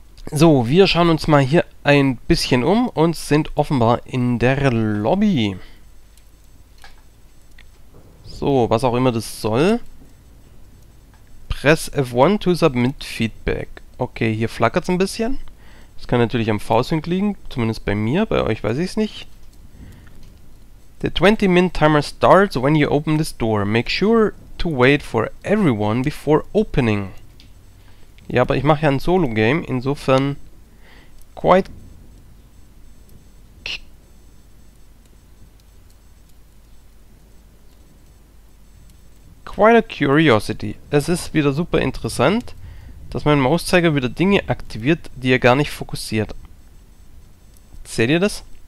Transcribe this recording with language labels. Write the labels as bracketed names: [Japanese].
[German] So, wir schauen uns mal hier ein bisschen um und sind offenbar in der Lobby. So, was auch immer das soll. [English] Press F1 to submit Feedback. [German] Okay, hier flackert es ein bisschen. Das kann natürlich am V-Sync liegen, zumindest bei mir, bei euch weiß ich es nicht. [English] The 20-minute timer starts when you open this door. Make sure to wait for everyone before opening. [German] Ja, aber ich mache ja ein Solo-Game, insofern quite... [English] Quite a curiosity. [German] Es ist wieder super interessant, dass mein Mauszeiger wieder Dinge aktiviert, die er gar nicht fokussiert. Seht ihr das?